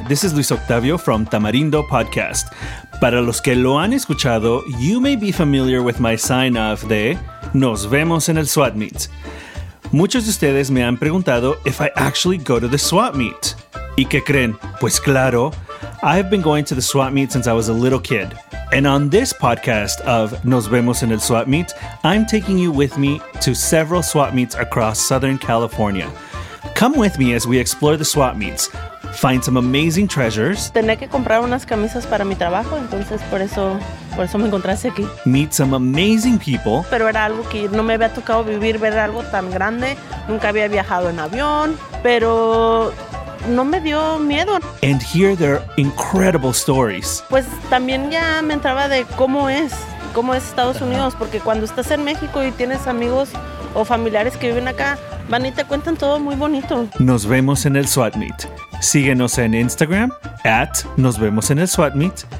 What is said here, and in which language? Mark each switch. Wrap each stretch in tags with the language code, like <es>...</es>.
<en>This is Luis Octavio from Tamarindo Podcast.</en> <es>Para los que lo han escuchado,</es> <en>you may be familiar with my sign-off</en> <es>de Nos vemos en el swap meet. Muchos de ustedes me han preguntado</es> <en>if I actually go to the swap meet.</en> <es>¿Y qué creen? Pues claro,</es> <en>I've been going to the swap meet since I was a little kid. And on this podcast of Nos vemos en el swap meet, I'm taking you with me to several swap meets across Southern California. Come with me as we explore the swap meets. Find some amazing treasures.</en> <es>Tenía que comprar unas camisas para mi trabajo, entonces por eso me encontraste aquí.</es> <en>Meet some amazing people.</en> <es>Pero era algo que no me había tocado vivir, ver algo tan grande. Nunca había viajado en avión, pero no me dio miedo.</es> <en>And hear their incredible stories.</en> <es>Pues también ya me entraba de cómo es Estados Unidos, porque cuando estás en México y tienes amigos o familiares que viven acá, van y te cuentan todo muy bonito. Nos vemos en el swap meet. Síguenos en Instagram @ Nos vemos en el swap meet.</es>